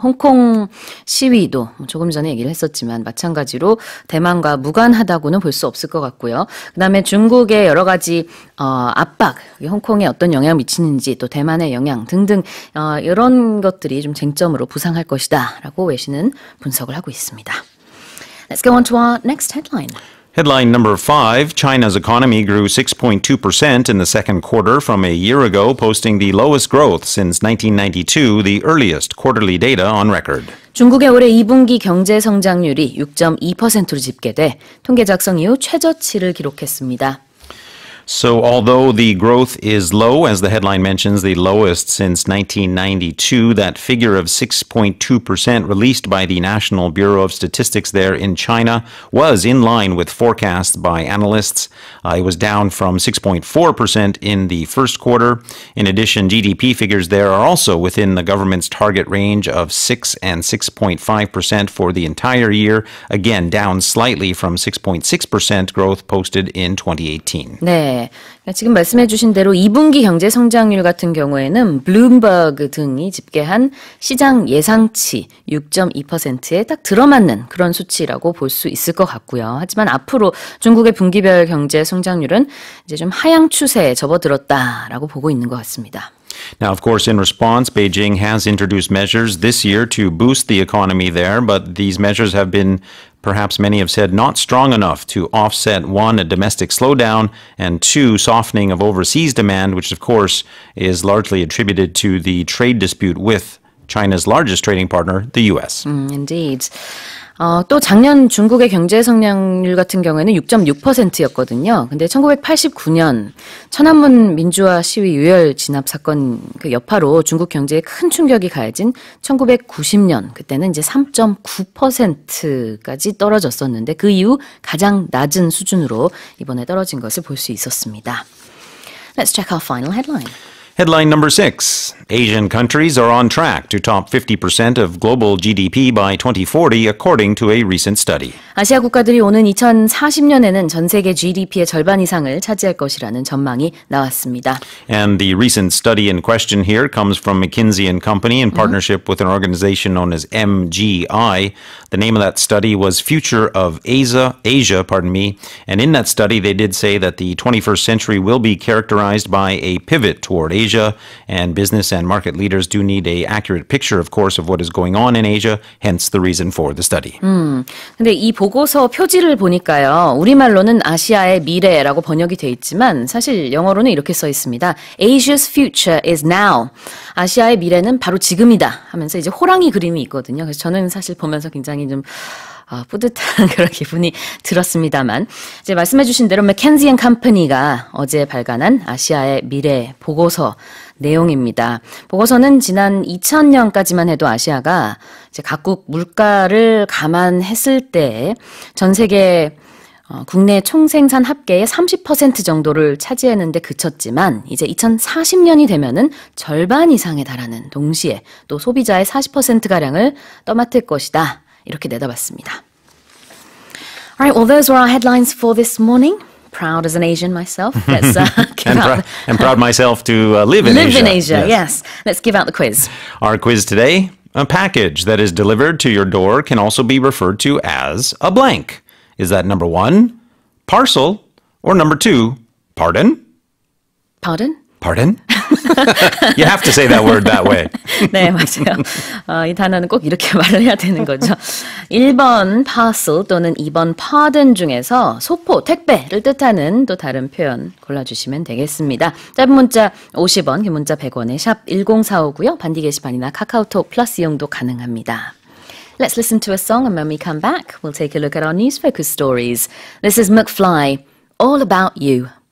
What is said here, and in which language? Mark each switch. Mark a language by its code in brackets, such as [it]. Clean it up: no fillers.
[ko] 홍콩 시위도 조금 전에 얘기를 했었지만 마찬가지로 대만과 무관하다고는 볼 수 없을 것 같고요. 그 다음에 중국의 여러 가지 압박, 홍콩에 어떤 영향을 미치는지 또 대만의 영향 등등 이런 것들이 좀 쟁점으로 부상할 것이다 라고 외신은 분석을 하고 있습니다. [en] Let's go on to our next headline. Headline number five, China's economy grew 6.2% in the second quarter from a year ago, posting the lowest growth since 1992, the earliest quarterly data on record. [ko] 중국의 올해 2분기 경제 성장률이 6.2%로 집계돼 통계 작성 이후 최저치를 기록했습니다. [en] So although the growth is low, as the headline mentions, the lowest since 1992, that figure of 6.2% released by the National Bureau of Statistics there in China was in line with forecasts by analysts. It was down from 6.4% in the first quarter. In addition, GDP figures there are also within the government's target range of 6 and 6.5% for the entire year, again down slightly from 6.6% growth posted in 2018. [ko] 네. 지금 말씀해 주신 대로 2분기 경제 성장률 같은 경우에는 블룸버그 등이 집계한 시장 예상치 6.2%에 딱 들어맞는 그런 수치라고 볼 수 있을 것 같고요. 하지만 앞으로 중국의 분기별 경제 성장률은 이제 좀 하향 추세에 접어들었다라고 보고 있는 것 같습니다. [en] Now, of course, in response, Beijing has introduced measures this year to boost the economy there, but these measures have been, perhaps many have said, not strong enough to offset, one, a domestic slowdown, and two, softening of overseas demand, which, of course, is largely attributed to the trade dispute with China's largest trading partner, the U.S. Indeed. [ko] 또 작년 중국의 경제 성장률 같은 경우에는 6.6%였거든요. 근데 1989년 천안문 민주화 시위 유혈 진압 사건 그 여파로 중국 경제에 큰 충격이 가해진 1990년 그때는 이제 3.9%까지 떨어졌었는데 그 이후 가장 낮은 수준으로 이번에 떨어진 것을 볼 수 있었습니다. [en] Let's check our final headline. Headline number six, Asian countries are on track to top 50% of global GDP by 2040, according to a recent study. [ko] 아시아 국가들이 오는 2040년에는 전 세계 GDP의 절반 이상을 차지할 것이라는 전망이 나왔습니다. [en] And the recent study in question here comes from McKinsey and Company in partnership with an organization known as MGI. The name of that study was Future of Asia. And in that study, they did say that the 21st century will be characterized by a pivot toward Asia and business and market leaders do need an accurate picture, of course, of what is going on in Asia, hence the reason for the study. [ko] 근데 이 보고서 표지를 보니까요, 우리말로는 아시아의 미래라고 번역이 돼 있지만 사실 영어로는 이렇게 써 있습니다. [en] Asia's future is now. [ko] 아시아의 미래는 바로 지금이다 하면서 이제 호랑이 그림이 있거든요. 그래서 저는 사실 보면서 굉장히 좀 뿌듯한 그런 기분이 들었습니다만 이제 말씀해 주신 대로 McKinsey & Company가 어제 발간한 아시아의 미래 보고서 내용입니다. 보고서는 지난 2000년까지만 해도 아시아가 이제 각국 물가를 감안했을 때 전 세계 국내 총생산 합계의 30% 정도를 차지했는데 그쳤지만 이제 2040년이 되면은 절반 이상에 달하는 동시에 또 소비자의 40%가량을 떠맡을 것이다. 이렇게 내다봤습니다. [en] All right, well, those were our headlines for this morning. Proud as an Asian myself. and proud myself to live in Asia. Yes. Let's give out the quiz. Our quiz today, a package that is delivered to your door can also be referred to as a blank. Is that number one, parcel, or number two, pardon? Pardon? Pardon? You have to say that word that way. [ko] 네, 맞아요. 이 단어는 꼭 이렇게 말을 해야 되는 거죠. 1번 parcel 또는 2번 pardon 중에서 소포, 택배를 뜻하는 또 다른 표현 골라주시면 되겠습니다. 짧은 문자 50원, 긴 문자 100원에 샵 1045고요. 반디 게시판이나 카카오톡 플러스 이용도 가능합니다. [en] Let's listen to a song and when we come back, we'll take a look at our news focus stories. This is McFly, All About You.